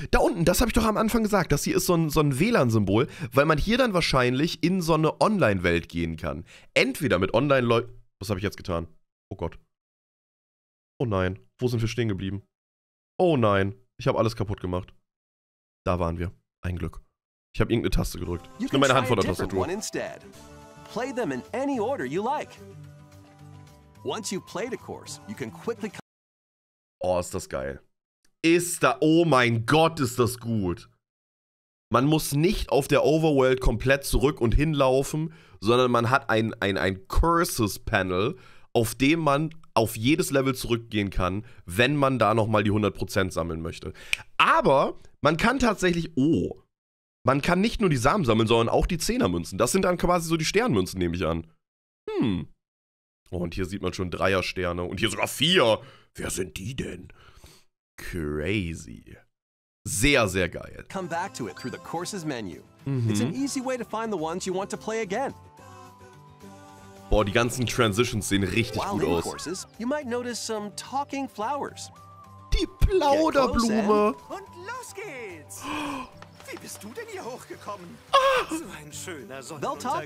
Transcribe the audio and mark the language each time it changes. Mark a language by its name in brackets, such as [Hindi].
[German] Da unten, das habe ich doch am Anfang gesagt. Das hier ist so ein WLAN-Symbol, weil man hier dann wahrscheinlich in so eine Online-Welt gehen kann. Entweder mit Online-Leuten. Was habe ich jetzt getan? Oh Gott. Oh nein. Wo sind wir stehen geblieben? Oh nein. Ich habe alles kaputt gemacht. Da waren wir. Ein Glück. Ich habe irgendeine Taste gedrückt. Ich nehme meine Hand vor der Tastatur. [English] Play them in any order you like. Once you've played a course, you can quickly. [German] Oh, ist das geil. Ist da, oh mein Gott, ist das gut. Man muss nicht auf der Overworld komplett zurück und hinlaufen, sondern man hat ein Curses-Panel, auf dem man auf jedes Level zurückgehen kann, wenn man da nochmal die 100% sammeln möchte. Aber man kann tatsächlich, oh, man kann nicht nur die Samen sammeln, sondern auch die Zehnermünzen. Das sind dann quasi so die Sternmünzen, nehme ich an. Und hier sieht man schon Dreiersterne und hier sogar vier. Wer sind die denn? Crazy. Sehr, sehr geil. [English] Come back to it through the courses menu. Mhm. It's an easy way to find the ones you want to play again. [German] Boah, die ganzen Transitions sehen richtig [English] while [German] gut aus. [English] Courses, you might notice some talking flowers. [German] Die Plauderblume. Und los geht's. Wie bist du denn hier hochgekommen? Ah. So ein schöner Sonnenuntergang.